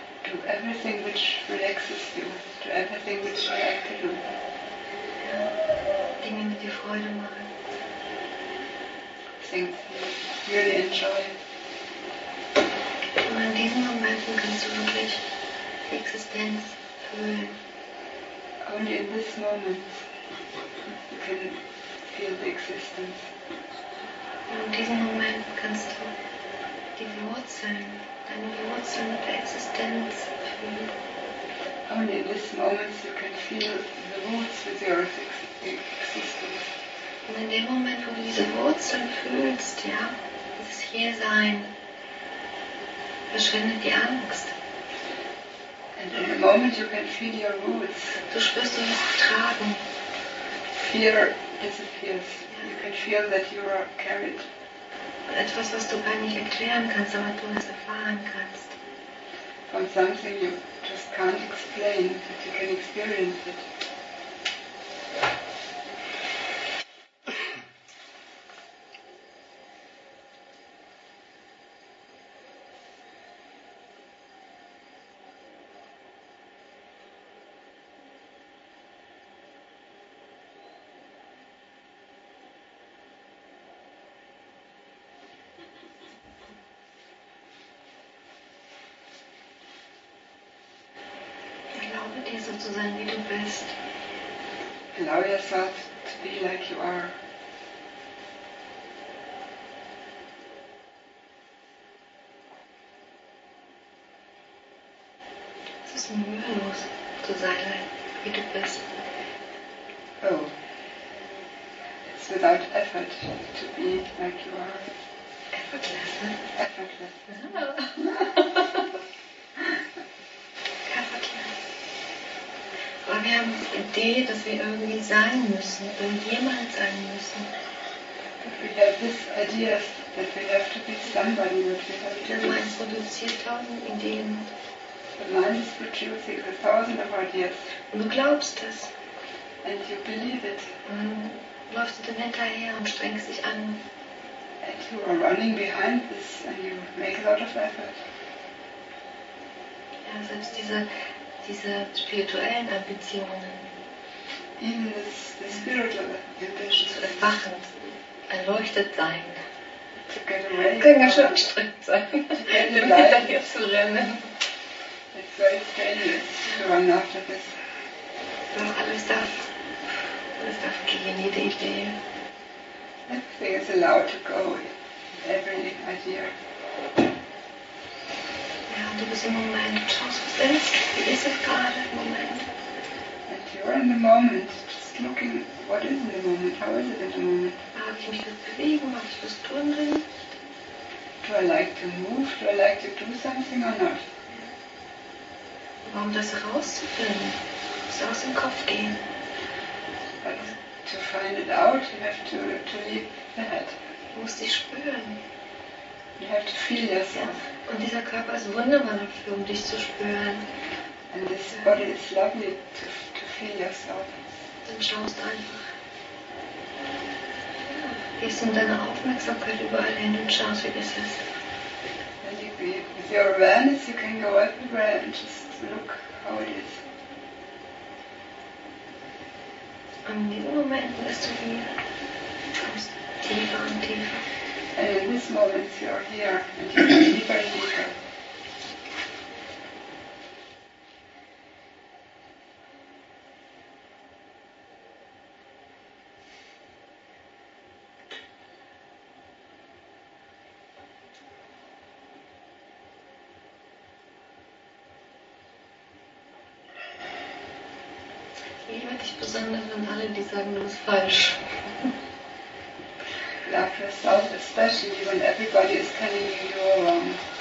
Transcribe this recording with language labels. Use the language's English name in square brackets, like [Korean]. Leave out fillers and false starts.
[English] Do everything which relaxes you. Do everything which you like to do. [German] Ja. Dinge, die dir Freude machen. [English] Things you really enjoy. [German] Und in diesen Momenten kannst du wirklich die Existenz fühlen. [English] Only in this moment you can feel the existence. [German] Und in diesem Moment kannst du die Wurzeln, deine Wurzeln der Existenz fühlen. [English] Only in this moment you can feel the roots with your existence. [German] Und in dem Moment, wo du diese Wurzeln fühlst, ja, dieses Hiersein, verschwindet die Angst. [English] And in the moment you can feel your roots. [German] Du spürst du das Tragen. [English] Fear disappears. Yeah. You can feel that you are carried. [German] Etwas, was du gar nicht erklären kannst, aber du es erfahren kannst. [English] From something you just can't explain, but you can experience it. Allow yourself to be like you are. [German] Es ist mühelos zu sein, wie du bist. Oh. [English] It's without effort to be like you are. Effortless, hm? Effortless. [German] Wir haben die Idee, dass wir irgendwie sein müssen, irgendjemand sein müssen. [English] We have this idea that we have to be somebody, that we have to be. The mind [German] produziert tausend Ideen. [English] The mind is producing a thousand of ideas. [German] Und du glaubst es. [English] And you believe it. [German] Und läufst du dann hinterher und strengst dich an. [English] And you are running behind this and you make a lot of effort. [German] Ja, selbst diese spirituellen Ambitionen. [English] In the spiritual ambition. [German] Zu erwachen, erleuchtet sein. [English] To get away. [German] Kann ja schon anstrengend sein. [English] To get away. [German] Hier zu rennen. [English] It's very strenuous to run after this. [German] Doch alles darf gehen, jede Idee. [English] Everything is allowed to go, every idea. [German] Ja, du bist im Moment, du schaust, was ist, wie ist es gerade im Moment? [English] And you're in the moment, just looking, what is in the moment, how is it in the moment? [German] Mag ich mich gut bewegen, mag ich was tun drin? [English] Do I like to move, do I like to do something or not? [German] Ja. Um das rauszufinden, muss aus dem Kopf gehen. [English] But to find it out, you have to leave the head. [German] Du musst dich spüren. [English] You have to feel yourself. Ja. [German] Und dieser Körper ist wunderbar dafür, um dich zu spüren. [English] And this body is lovely to feel yourself. [German] Dann schaust du einfach. Ja. Gehst du in deine Aufmerksamkeit überall hin und schaust, wie es ist. [English] And you, with your awareness, you can go everywhere and just look how it is. [German] Und in diesem Moment bist du hier. Du kommst tiefer und tiefer. [English] And in this moment you are here and you are deeper and deeper. [German] Ich liebe dich besonders an alle, die sagen, du bist falsch. [English] Love yourself, especially when everybody is telling you you're wrong.